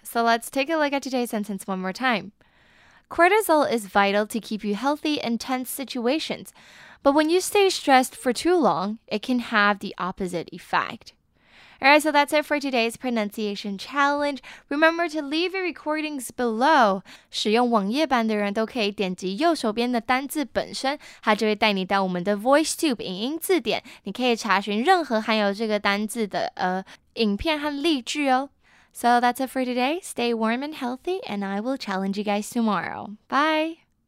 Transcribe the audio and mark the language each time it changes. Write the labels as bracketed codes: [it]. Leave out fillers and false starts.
[en] So let's take a look at today's sentence one more timeCortisol is vital to keep you healthy in tense situations, but when you stay stressed for too long, it can have the opposite effect. Alright, so that's it for today's pronunciation challenge. Remember to leave your recordings below. [zh] 使用网页版的人都可以点击右手边的单字本身，它就会带你到我们的 VoiceTube 影音字典，你可以查询任何含有这个单字的影片和例句哦。 [en] So that's it for today. Stay warm and healthy, and I will challenge you guys tomorrow. Bye!